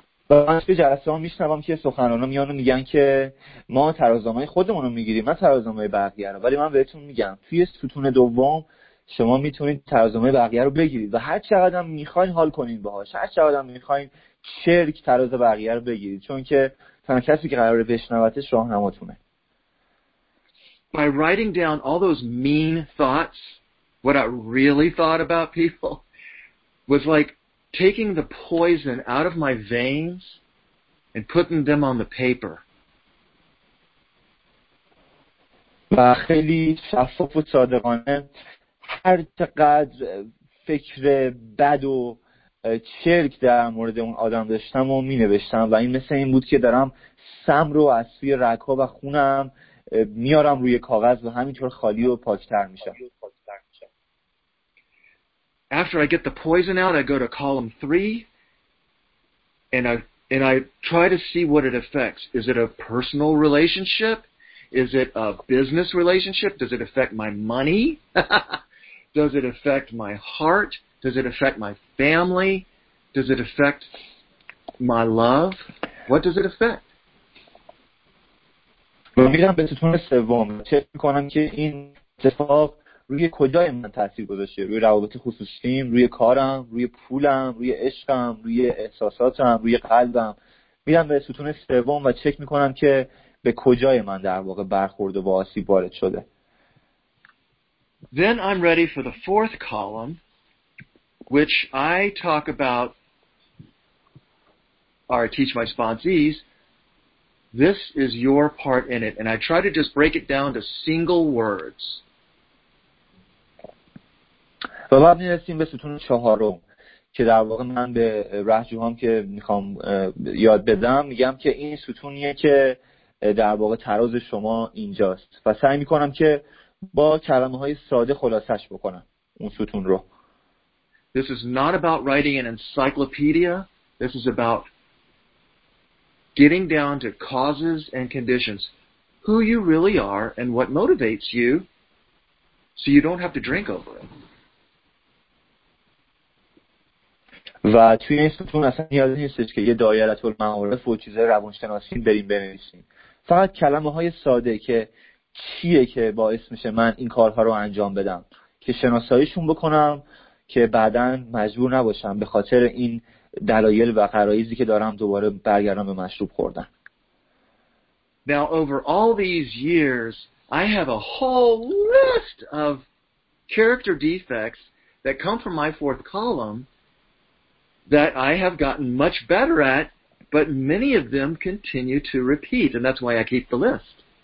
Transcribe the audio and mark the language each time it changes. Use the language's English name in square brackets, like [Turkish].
[Persian] من توی جلسه ها میشنوم که سخنران ها میان و میگن که ما ترازنامه خودمون رو میگیریم، من ترازنامه بقیه رو، ولی من بهتون میگم توی ستون دوم شما میتونید ترازنامه بقیه رو بگیرید و هر چقدر هم میخواین حال کنین باهاش، هر چقدر هم میخواین چرک تراز بقیه رو بگیرید، چون که تنها کسی که قراره بشنوتش راهنماتونه. [English] By writing down all those mean thoughts, what I really thought about people, was like taking the poison out of my veins and putting them on the paper. [Persian] و خیلی شفاف و صادقانه هر چقدر فکر بد و چرک در مورد اون آدم داشتم و می نوشتم و این مثل این بود که دارم سم رو از سوی رگ‌ها و خونم میارم روی کاغذ و همینطور خالی و پاکتر میشم. [English] After I get the poison out, I go to column 3 and I try to see what it affects. Is it a personal relationship? Is it a business relationship? Does it affect my money? Does it affect my heart? Does it affect my family? Does it affect my love? What does it affect? [Persian] و میرم به ستون سوم چک میکنم که این اتفاق روی کجای من تاثیر گذاشته، روی روابط خصوصیم، روی کارم، روی پولم، روی عشقم، روی احساساتم، روی قلبم. میرم به ستون سوم و چک میکنم که به کجای من در واقع برخورد و آسیب وارد شده. [English] Then I'm ready for the fourth column, which I talk about or teach my sponsees. This is your part in it, and I try to just break it down to single words. [Persian] و بعد می‌رسیم به ستون چهارم که در واقع من به رهجوهام که می‌خوام یاد بدم میگم که این ستونیه که در واقع تراز شما اینجاست و سعی می‌کنم که با کلمه‌های ساده خلاصش بکنم اون ستون رو. [English] This is not about writing an encyclopedia. This is about getting down to causes and conditions. who you really are and what motivates you so you don't have to drink over it. [Persian] و توی این ستون اصلا نیازی نیستش که یه دایره المعارف و چیزه روانشناسی بریم بنویسیم. فقط کلمه های ساده که چیه که باعث میشه من این کارها رو انجام بدم، که شناساییشون بکنم که بعداً مجبور نباشم به خاطر این دلایل و غرایزی که دارم دوباره برگردم به مشروب خوردن. [English] Now over all these years I have a whole list of character defects that come from my fourth column that I have gotten much better at, but many of them continue to repeat, and that's why I keep the list.